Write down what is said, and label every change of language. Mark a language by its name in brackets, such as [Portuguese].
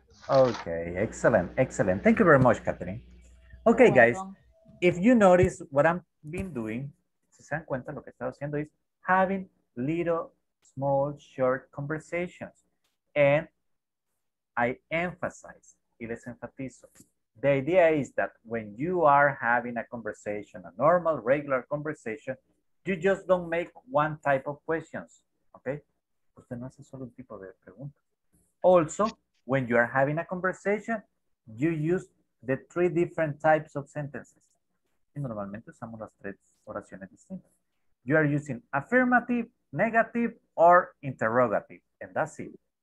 [English] Okay, excellent, excellent. Thank you very much, Catherine. Okay, guys, if you notice what I've been doing, [Spanish] si se dan cuenta, lo que he estado haciendo [English] is having little, small, short conversations. And I emphasize, [Spanish] y les enfatizo. [English] The idea is that when you are having a conversation, a normal, regular conversation, you just don't make one type of questions, okay? [Spanish] Usted no hace solo un tipo de pregunta. [English] Also, when you are having a conversation, you use the three different types of sentences. [Spanish] Y normalmente usamos las tres oraciones distintas. [English] You are using affirmative, negative, or interrogative, and that's it.